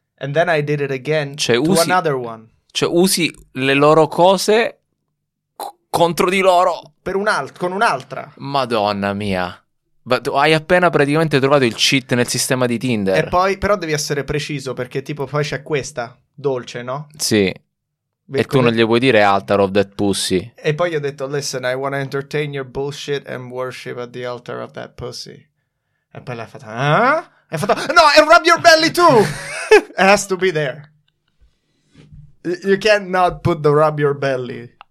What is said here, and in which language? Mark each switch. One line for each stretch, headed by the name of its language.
English: And then I did it again,
Italian: cioè,
English: to usi, another one.
Italian: Cioè usi le loro cose contro di loro. Per un'altra, con un'altra. Madonna mia.
English: But
Italian: hai appena praticamente trovato il cheat nel sistema di Tinder. E poi, però devi essere preciso, perché tipo poi c'è questa, dolce, no? Sì. Beh, e come... tu non gli vuoi dire
English: altar of that pussy.
Italian: E poi gli ho detto,
English: listen, I want to entertain your bullshit and worship at the altar of that pussy.
Italian: E poi l'ha fatta, ah? E ha fatto, no,
English: and rub your belly too! It has to be there. You can't not put the rub your belly.